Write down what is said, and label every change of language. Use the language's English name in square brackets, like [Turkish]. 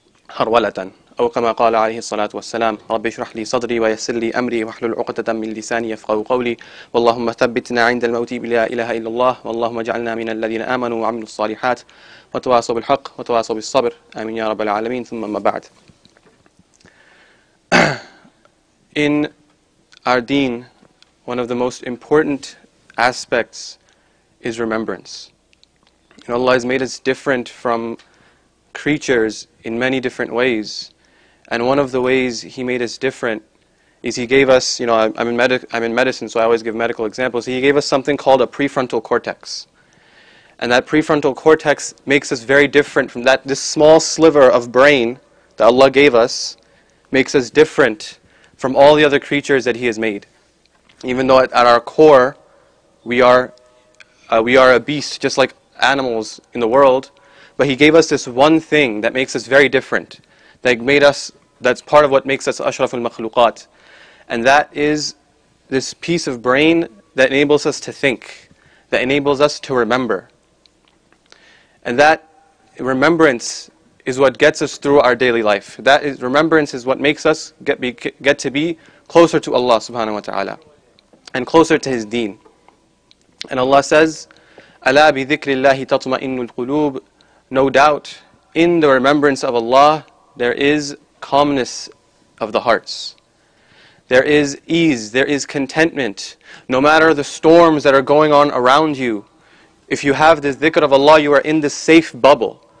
[Arabic] هرولة أو كما قال عليه الصلاة والسلام رب اشرح لي صدري ويسر لي أمري واحلل عقدة من لساني يفقه قولي واللهم ثبتنا عند الموت بلا إله إلا الله واللهم اجعلنا من الذين آمنوا وعملوا الصالحات وتواصوا بالحق وتواصوا بالصبر آمين يا رب العالمين ثم ما بعد [English] In our deen, one of the most important aspects is remembrance. You know, Allah has made us different from creatures in many different ways. And one of the ways He made us different is He gave us, you know, I'm in medicine, so I always give medical examples. He gave us something called a prefrontal cortex. And that prefrontal cortex makes us very different from that. This small sliver of brain that Allah gave us makes us different from all the other creatures that He has made. Even though at our core, we are a beast, just like animals in the world. But He gave us this one thing that makes us very different. That's part of what makes us ashraful makhluqat. And that is this piece of brain that enables us to think, that enables us to remember. And that remembrance is what gets us through our daily life. Remembrance is what makes us get to be closer to Allah subhanahu wa ta'ala and closer to His deen. And Allah says, [Arabic] أَلَا بِذِكْرِ اللَّهِ تَطْمَئِنُّ الْقُلُوبِ. [English] No doubt, in the remembrance of Allah, there is calmness of the hearts. There is ease, there is contentment. No matter the storms that are going on around you, if you have the dhikr of Allah, you are in the safe bubble.